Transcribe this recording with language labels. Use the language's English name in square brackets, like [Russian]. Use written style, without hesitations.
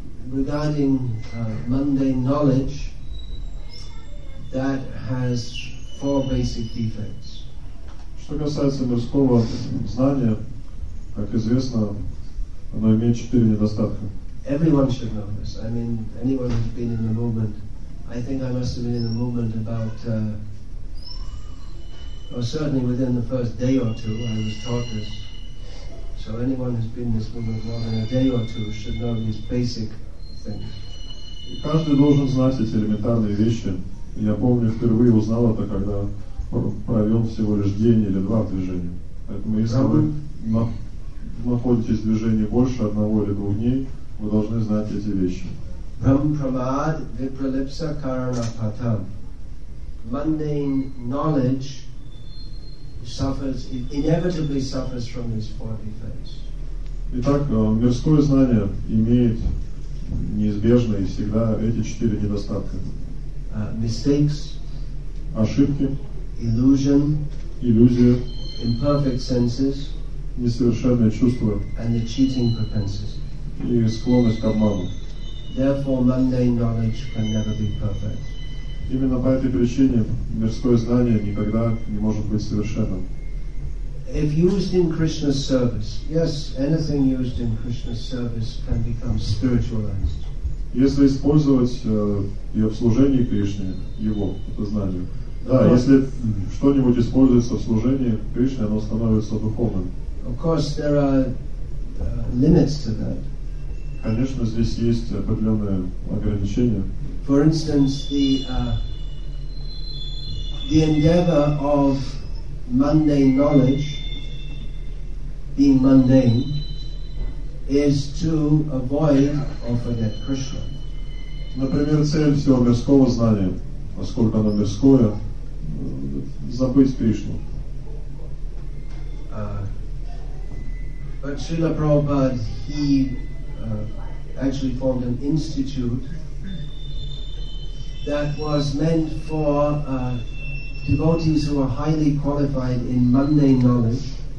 [English] Regarding mundane knowledge, that has four basic defects. [Russian] Что касается мирского знания, как известно, оно имеет четыре недостатка. [English] Everyone should know this. I mean, anyone who's been in the movement. I think I must have been in the movement about, or certainly within the first day or two, I was taught this. So anyone who's been in this movement more than a day or two should know these basic. [Russian] И каждый должен знать эти элементарные вещи. Я помню, впервые узнал это, когда провел всего лишь день или два в движении. Поэтому если вы находитесь в движении больше одного или двух дней, вы должны знать эти вещи. [Sanskrit] Brahm pramad vipralipsa karana patam. [English] Mundane knowledge suffers, inevitably suffers from these four defects. [Russian] Итак, мирское знание имеет неизбежно и всегда эти четыре недостатка. [English] Mistakes, [Russian] ошибки, [English] illusion, [Russian] иллюзия, [English] imperfect senses, [Russian] несовершенные чувства, [English] and the cheating propensity. [Russian] И склонность к обману. [English] Therefore, mundane knowledge can never be perfect. [Russian] Именно по этой причине мирское знание никогда не может быть совершенным. [English] If used in Krishna's service, yes, anything used in Krishna's service can become spiritualized. [Russian] Если использовать ее в служении Кришне, его, это знание. Да, если что-нибудь используется в служении Кришне, оно становится духовным. [English] Of course, there are limits to that. [Russian] Конечно, здесь есть определенные ограничения. [English] For instance, the endeavor of mundane knowledge being mundane is to avoid or forget Krishna. [Russian] Например, цель всего мирского знания, поскольку оно мирское, забыть Кришну. [English] But Srila Prabhupada, he actually formed an institute that was meant for devotees who are highly qualified in mundane knowledge.